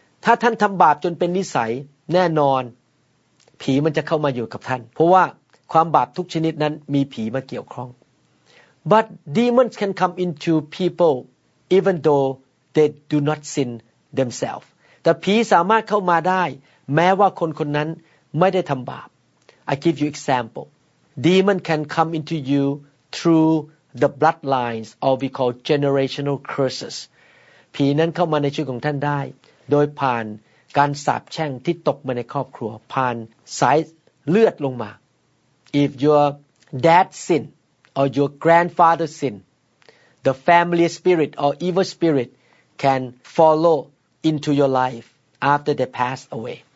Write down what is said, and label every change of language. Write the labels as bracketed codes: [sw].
[th] ถ้าท่านทำบาปจนเป็นนิสัยแน่นอนผีมันจะเข้ามาอยู่กับท่านเพราะว่าความบาปทุกชนิดนั้นมีผีมาเกี่ยวข้อง [en] But demons can come into people even though they do not sin themselves. [th] แต่ผีสามารถเข้ามาได้แม้ว่าคนคนนั้นไม่ได้ทำบาป [en] I give you example. Demon can come into you through the bloodlines, or we call generational curses. [th] ผีนั้นเข้ามาในชีวิตของท่านได้โดยผ่านการสาปแช่งที่ตกมาในครอบครัวผ่านสายเลือดลงมา [en] If your dad sin or your grandfather sin, the family spirit or evil spirit can follow into your life after they pass away.